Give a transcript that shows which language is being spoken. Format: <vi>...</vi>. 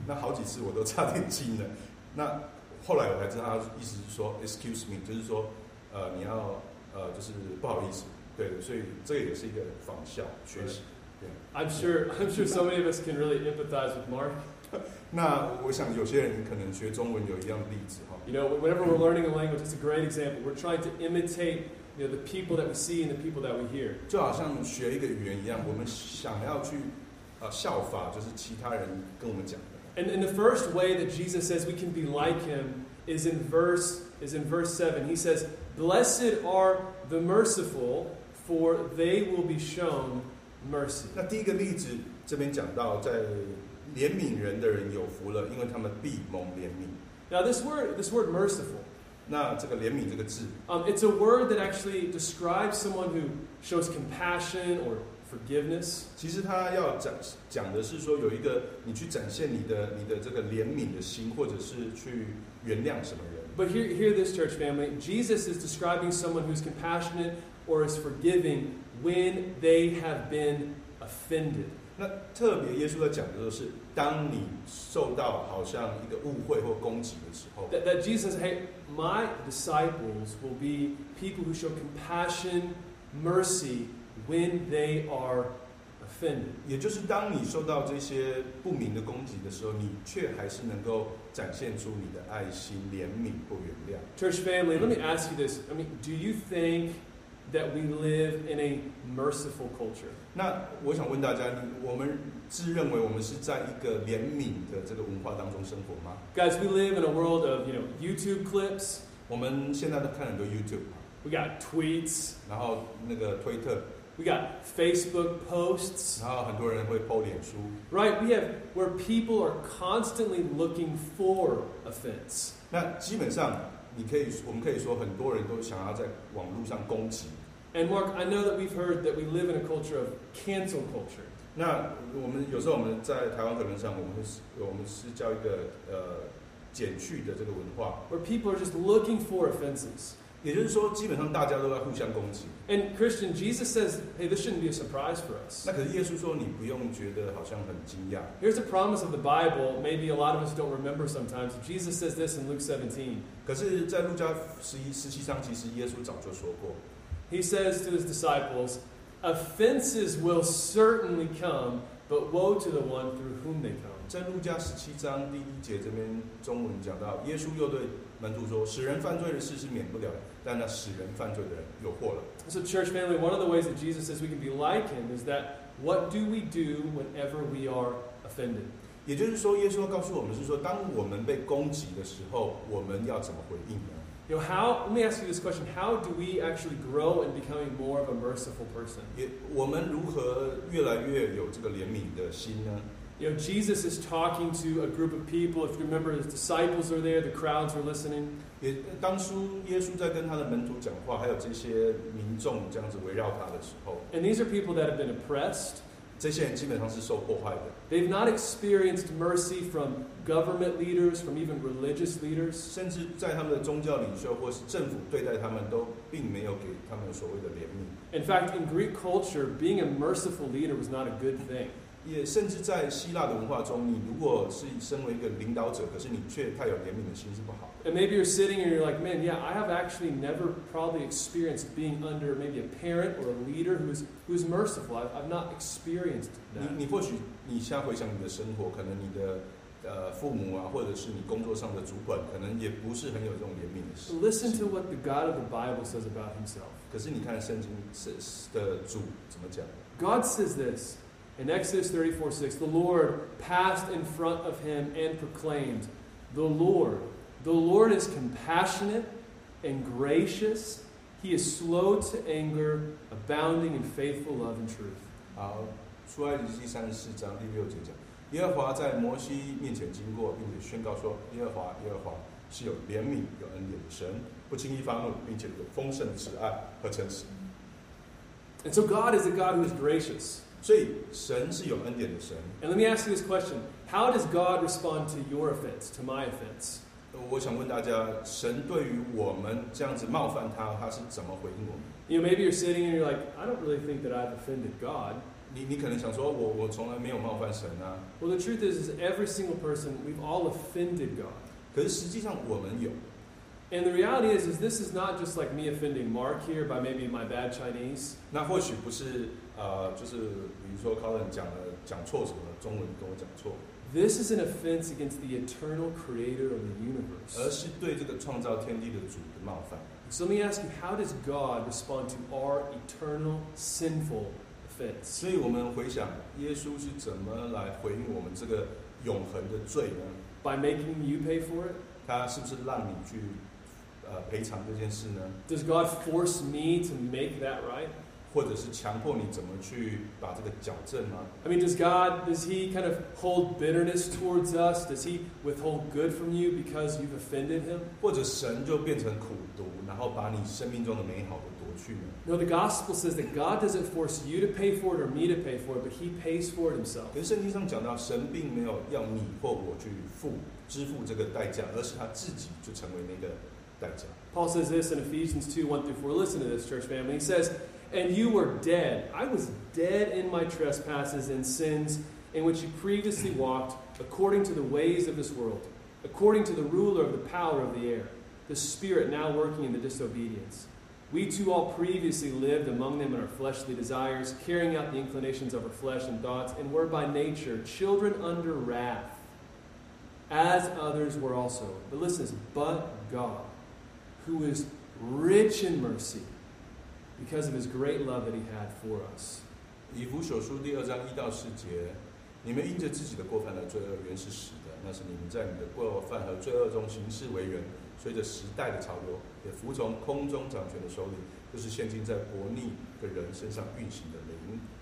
<zh>那好几次我都差点亲了。那后来我才知道，他意思是说</zh> <en>excuse me，</en> <zh>就是说你要就是不好意思。对的，所以这也是一个仿效学习。</zh> <en>Yeah. I'm sure so many of us can really empathize with Mark.</en> <zh>那我想有些人可能学中文有一样的例子哈。</zh> <en>You know, whenever we're learning a language, it's a great example. We're trying to imitate, you know, the people that we see and the people that we hear.</en> <zh>就好像学一个语言一样，我们想要去效法，就是其他人跟我们讲的。</zh> <en>And the first way that Jesus says we can be like him is in verse 7. He says, "Blessed are the merciful, for they will be shown mercy."</en> <zh>那第一个例子这边讲到在。怜悯人的人有福了，因为他们必蒙怜悯。</zh> <en>Now this word merciful.</en> <zh>那这个怜悯这个字。</zh> <en>It's a word that actually describes someone who shows compassion or forgiveness.</en> <zh>其实他要讲的是说有一个你去展现你的这个怜悯的心，或者是去原谅什么人。</zh> <en>But hear this, church family. Jesus is describing someone who's compassionate or is forgiving when they have been offended.</en> <zh>那特别耶稣在讲的就是，当你受到好像一个误会或攻击的时候</zh> <en>，That Jesus says, "Hey, my disciples will be people who show compassion mercy when they are offended.</en> <zh>也就是当你受到这些不明的攻击的时候，你却还是能够展现出你的爱心、怜悯或原谅。</zh> <en>Church family, let me ask you this. I mean, do you think that we live in a merciful culture?</en> <zh>那我想问大家，我们自认为我们是在一个怜悯的这个文化当中生活吗？</zh> <en>Guys, we live in a world of, you know, YouTube clips.</en> <zh>我们现在都看很多 YouTube。</zh> <en>We got tweets.</en> <zh>然后那个推特。</zh> <en>We got Facebook posts.</en> <zh>然后很多人会 po 脸书。</zh> <en>Right, we have where people are constantly looking for offense.</en> <zh>那基本上你可以，我们可以说很多人都想要在网络上攻击。</zh> <en>And Mark, I know that we've heard that we live in a culture of cancel culture.</en> <zh>那我们有时候我们在台湾可能上，我们是叫一个减去的这个文化。</zh> <en>Where people are just looking for offenses.</en> <zh>也就是说，基本上大家都在互相攻击。</zh> <en>And Christian, Jesus says, "Hey, this shouldn't be a surprise for us."</en> <zh>那可是耶稣说，你不用觉得好像很惊讶。</zh> <en>Here's a promise of the Bible. Maybe a lot of us don't remember sometimes. Jesus says this in Luke 17.</en> <zh>可是，在路加十七章，其实耶稣早就说过。</zh> <en>He says to his disciples, "Offenses will certainly come, but woe to the one through whom they come."</en> <zh>在路加十七章第一节这边，中文讲到，耶稣又对门徒说：“使人犯罪的事是免不了，但那使人犯罪的人有祸了。”</zh> <en>So, church family, one of the ways that Jesus says we can be like him is that what do we do whenever we are offended?</en> <zh>也就是说，耶稣要告诉我们是说，当我们被攻击的时候，我们要怎么回应呢？</zh> <en>You know, how? Let me ask you this question: How do we actually grow in becoming more of a merciful person?</en> <zh>我们如何越来越有这个怜悯的心呢？</zh> <en>You know, Jesus is talking to a group of people. If you remember, his disciples are there, the crowds are listening.</en> <zh>当初耶稣在跟他的门徒讲话，还有这些民众这样子围绕他的时候。</zh> <en>And these are people that have been oppressed.</en> <zh>这些人基本上是受迫害的。</zh> <en>They've not experienced mercy from government leaders, from even religious leaders.</en> <zh>甚至在他们的宗教领袖或是政府对待他们都并没有给他们所谓的怜悯。</zh> <en>In fact, in Greek culture, being a merciful leader was not a good thing.</en> <zh>也甚至在希腊的文化中，你如果是身为一个领导者，可是你却太有怜悯的心是不好的。</zh> <en>And maybe you're sitting and you're like, man, yeah, I have actually never probably experienced being under maybe a parent or a leader who's merciful. I've not experienced that.</en> <zh>你或许你现在回想你的生活，可能你的父母啊，或者是你工作上的主管，可能也不是很有这种怜悯的心。</zh> <en>Listen to what the God of the Bible says about Himself.</en> <zh>可是你看圣经的主怎么讲</zh> <en>？God says this. In Exodus 34:6, the Lord passed in front of him and proclaimed, the Lord is compassionate and gracious. He is slow to anger, abounding in faithful love and truth.</en> <zh>好，出埃及记34章第六节讲，耶和华在摩西面前经过，并且宣告说，耶和华，耶和华是有怜悯、有恩典的神，不轻易发怒，并且有丰盛的慈爱和诚实。</zh> <en>And so God is a God who is gracious.</en> <zh>所以神是有恩典的神。</zh> <en>And let me ask you this question: How does God respond to your offense, to my offense?</en> <zh>我想问大家，神对于我们这样子冒犯他，他是怎么回应我们</zh> <en>？You know, maybe you're sitting and you're like, I don't really think that I've offended God.</en> <zh>你可能想说，我从来没有冒犯神啊。</zh> <en>Well, the truth is every single person, we've all offended God.</en> <zh>可是实际上我们有。</zh> <en>And the reality is this is not just like me offending Mark here by maybe my bad Chinese.</en> <zh>那或许不是就是比如说 Colin 讲错什么，中文跟我讲错。</zh> <en>This is an offense against the eternal creator of the universe.</en> <zh>而是对这个创造天地的主的冒犯。</zh> <en>So let me ask you, how does God respond to our eternal sinful offense?</en> <zh>所以我们回想，耶稣是怎么来回应我们这个永恒的罪呢？</zh> <en>By making you pay for it?</en> <zh>他是不是让你去赔偿这件事呢？</zh> <en>Does God force me to make that right?</en> <zh>或者是强迫你怎么去把这个矫正吗？</zh> <en>I mean, does he kind of hold bitterness towards us? Does he withhold good from you because you've offended him?</en> <zh>或者神就变成苦读，然后把你生命中的美好都夺去呢？</zh> <en>No, the gospel says that God doesn't force you to pay for it or me to pay for it, but he pays for it himself.</en> <zh>可是圣经上讲到，神并没有要你或我去支付这个代价，而是他自己就成为那个。</zh> <en>Paul says this in Ephesians 2:1-4. Listen to this, church family. He says, And you were dead. I was dead in my trespasses and sins in which you previously walked according to the ways of this world, according to the ruler of the power of the air, the spirit now working in the disobedience. We too all previously lived among them in our fleshly desires, carrying out the inclinations of our flesh and thoughts, and were by nature children under wrath, as others were also. But listen, but God, who is rich in mercy, because of his great love that he had for us.</en> <zh>以弗所书第二章一到四节，你们因着自己的过犯的罪恶，原是死的，那是你们在你的过犯和罪恶中行事为人，随着时代的潮流，也服从空中掌权的首领，就是现今在国逆的人身上运行的灵。</zh>